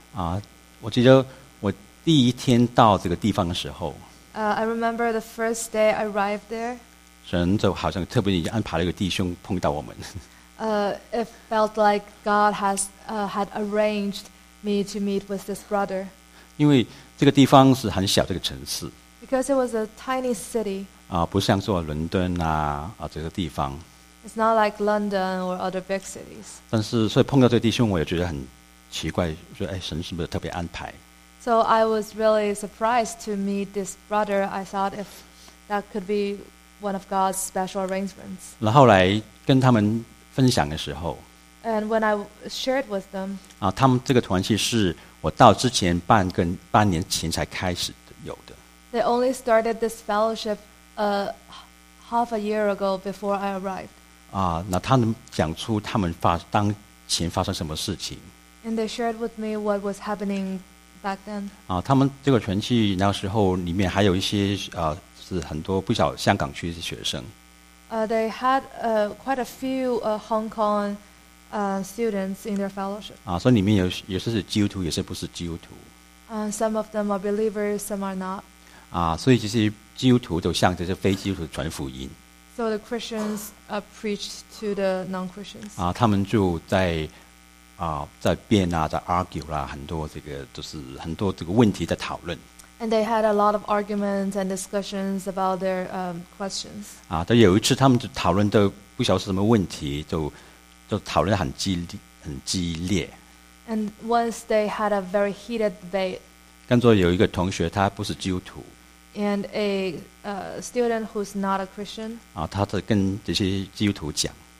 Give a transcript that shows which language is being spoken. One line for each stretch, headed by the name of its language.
Chinese: 啊，我记得我第一天到这个地方的时候。
English: I remember the first day I arrived there.
Chinese: 神就好像特别安排了一个弟兄碰到我们。
English: It felt like God has had arranged me to meet with this brother.
Chinese: 因为这个地方是很小，这个城市。
English: Because it was a tiny city.
Chinese: 啊，不像说伦敦啊啊这个地方。
English: It's not like London or other big cities.
Chinese: 但是，所以碰到这个弟兄，我也觉得很奇怪，说哎，神是不是特别安排
English: ？So I was really surprised to meet this brother. I thought if that could be one of God's special arrangements.
Chinese: 那后来跟他们分享的时候
English: ，And when I shared with them，
Chinese: 啊，他们这个团契是我到之前半年前才开始有的。
English: They only started this fellowship half a year ago before I arrived.
Chinese: 啊，那他们讲出他们当前发生什么事情
English: ？And they shared with me what was happening back then.
Chinese: 啊，他们这个团契那时候里面还有一些是很多不少香港区的学生。
English: They had quite a few Hong Kong students in their fellowship.
Chinese: 啊，所以里面有些是基督徒，有些不是基督徒。
English: Some of them are believers, some are not.
Chinese: 啊，所以其实基督徒都向这些非基督徒传福音。
English: So the Christians preached to the non-Christians.
Chinese: 啊，他们就在在辩啊，在 argue 啦，很多这个就是很多这个问题在讨论。
English: And they had a lot of arguments and discussions about their questions.
Chinese: 啊，但有一次他们就讨论的不晓得是什么问题，就讨论很激烈。
English: And once they had a very heated debate.
Chinese: 跟着有一个同学，他不是基督徒。
English: And a student who's not a Christian.
Chinese: 啊，他在跟这些基督徒讲。